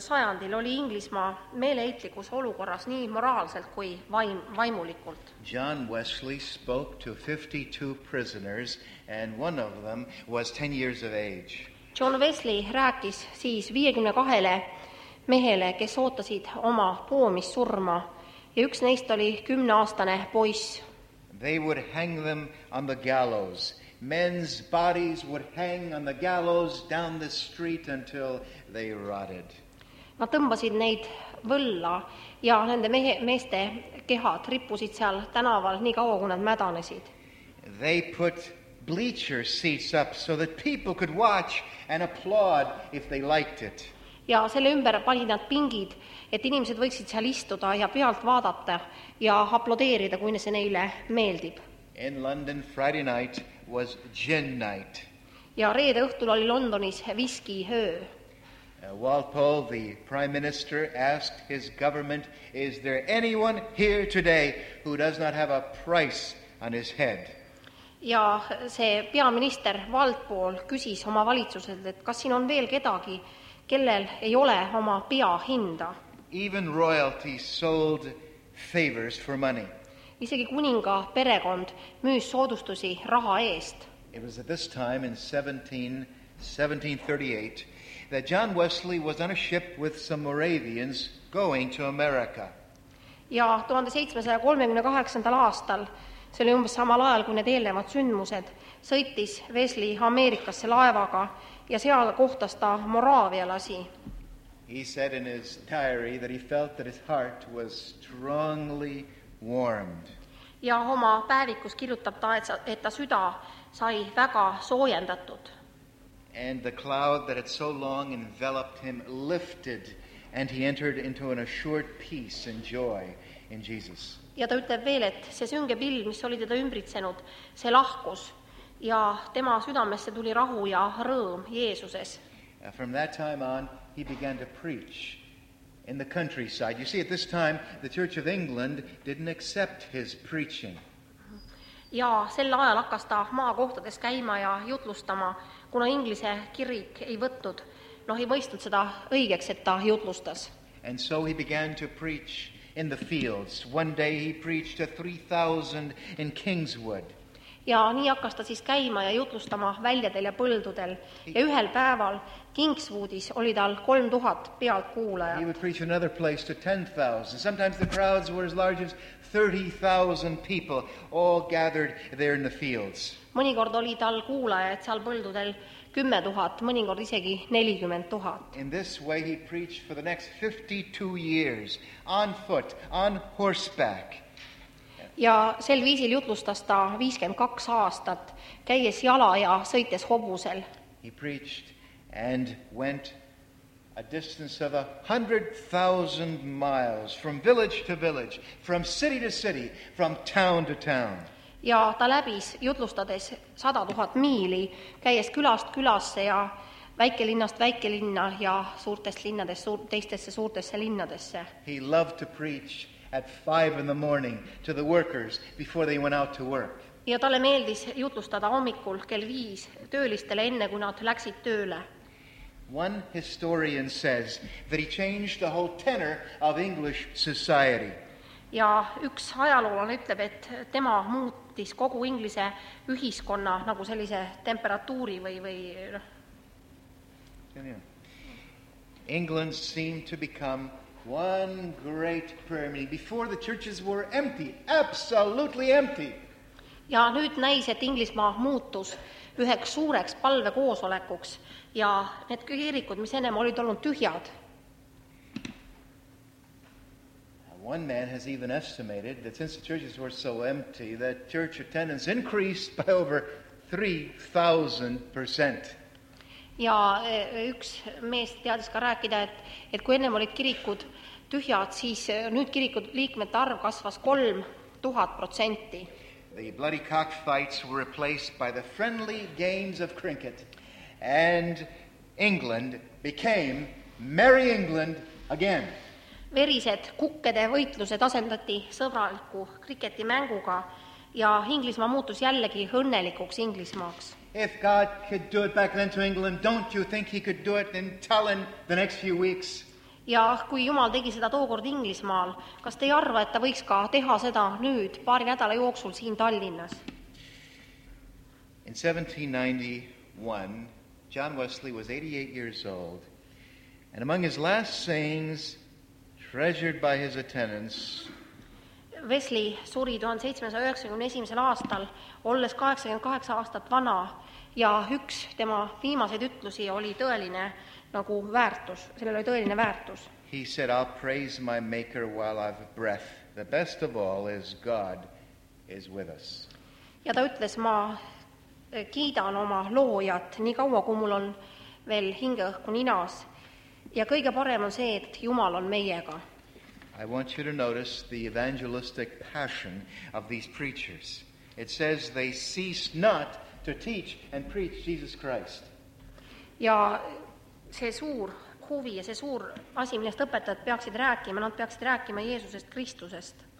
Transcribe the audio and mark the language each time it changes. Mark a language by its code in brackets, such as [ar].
[et] sajandil oli Inglismaa meeleitlikus olukorras nii moraalselt kui vaimulikult. [en] John Wesley spoke to 52 prisoners and one of them was 10 years of age. [et] John Wesley rääkis siis 52 mehele, kes ootasid oma poomis surma ja üks neist oli 10-aastane poiss. [en] They would hang them on the gallows. Men's bodies would hang on the gallows down the street until they rotted. [et] Nad tõmbasid neid võlla ja nende meeste kehad rippusid seal tänaval nii kaua, kui nad mädanesid. [en] They put bleacher seats up so that people could watch and applaud if they liked it. [et] Ja selle ümber panid nad pingid, et inimesed võiksid seal istuda ja pealt vaadata ja aplodeerida, kui see neile meeldib. [en] In London, Friday night was gin night. [et] Ja reede õhtul oli Londonis viski öö. [en] Walpole, the prime minister, asked his government, is there anyone here today who does not have a price on his head? [et] Ja see peaminister Valdpool küsis oma valitsuselt, et kas siin on veel kedagi, kellel ei ole oma pea hinda. [en] Even royalty sold favors for money. [et] Isegi kuninga perekond müüs soodustusi raha eest. [en] It was at this time in 1738 that John Wesley was on a ship with some Moravians going to America. [et] Ja 1738. aastal, see oli umbes samal ajal kui need eelnevad sündmused, sõitis Wesley Ameerikasse laevaga ja seal kohtas ta moraavialasi. [en] He said in his diary that he felt that his heart was strongly warmed. [et] Ja oma päevikus kirjutab ta, et ta süda sai väga soojendatud. [en] And the cloud that had so long enveloped him lifted and he entered into an assured peace and joy in Jesus. [et] Ja ta ütleb veel, et see sünge pilv, mis oli teda ümbritsenud, see lahkus ja tema südamesse tuli rahu ja rõõm Jeesuses. [en] From that time on, he began to preach in the countryside. You see, at this time, the Church of England didn't accept his preaching. [et] Ja sel ajal hakkas ta maakohtades käima ja jutlustama, kuna inglise kirik ei võtnud, ei mõistnud seda õigeks, et ta jutlustas. [en] And so he began to preach in the fields. One day he preached to 3,000 in Kingswood. [et] Ja nii hakkas ta siis käima ja jutlustama väljadel ja põldudel. Ja ühel päeval Kingswoodis oli tal 3000 pealt kuulajat. [en] He would preach another place to 10,000. Sometimes the crowds were as large as 30,000 people all gathered there in the fields. [et] Mõnikord oli tal kuulajat seal põldudel 10,000, mõnikord isegi 40,000. [en] In this way he preached for the next 52 years on foot, on horseback. [et] Ja sel viisil jutlustas ta 52 aastat, käies jala ja sõites hobusel. [en] He preached and went a distance of 100,000 miles from village to village, from city to city, from town to town. [et] Ja ta läbis jutlustades 100,000 miili, käies külast külasse ja väikelinnast väikelinna ja suurtest linnades teistesse suurtesse linnadesse. [en] He loved to preach at 5 in the morning to the workers before they went out to work. [et] Ja talle meeldis jutlustada hommikul kell 5 töölistele enne kui nad läksid tööle. [en] One historian says that he changed the whole tenor of English society. [et] Ja üks ajaloolane ütleb, et tema muutis kogu inglise ühiskonna nagu sellise temperatuuri või [en] England seemed to become one great prayer meeting. Before the churches were empty, absolutely empty. [et] Ja nüüd näis, et Inglismaa muutus üheks suureks palve koosolekuks ja need kirikud, mis enne olid olnud tühjad. [en] One man has even estimated that since the churches were so empty, that church attendance increased by over 3,000%. [et] Ja üks mees teadis ka rääkida, et kui ennem olid kirikud tühjad, siis nüüd kirikud liikmete arv kasvas 3000%. [en] The bloody cockfights were replaced by the friendly games of cricket and England became Merry England again. [et] Verised kukkede võitlused asendati sõbraliku kriketi mänguga ja Inglismaa muutus jällegi õnnelikuks Inglismaaks. [en] If God could do it back then to England, don't you think he could do it in Tallinn the next few weeks? [et] Ja kui Jumal tegi seda tookord Inglismaal, kas te ei arva, et ta võiks ka teha seda nüüd paari nädala jooksul siin Tallinnas? [en] In 1791, John Wesley was 88 years old, and among his last sayings, treasured by his attendants, [et] Wesley suri 1791. aastal, olles 88 aastat vana, ja üks tema viimased ütlusi oli tõeline nagu väärtus, sellel oli tõeline väärtus. [en] He said, I'll praise my maker while I've breath. The best of all is God is with us. [et] Ja ta ütles, ma kiidan oma loojat nii kaua, kui mul on veel hingeõhku ninas. Ja kõige parem on see, et Jumal on meiega. [en] I want you to notice the evangelistic passion of these preachers. It says they ceased not to teach and preach Jesus Christ. [et] Ja see suur huvi ja see suur asi, millest õpetajad peaksid rääkima, nad peaksid rääkima Jeesusest Kristusest.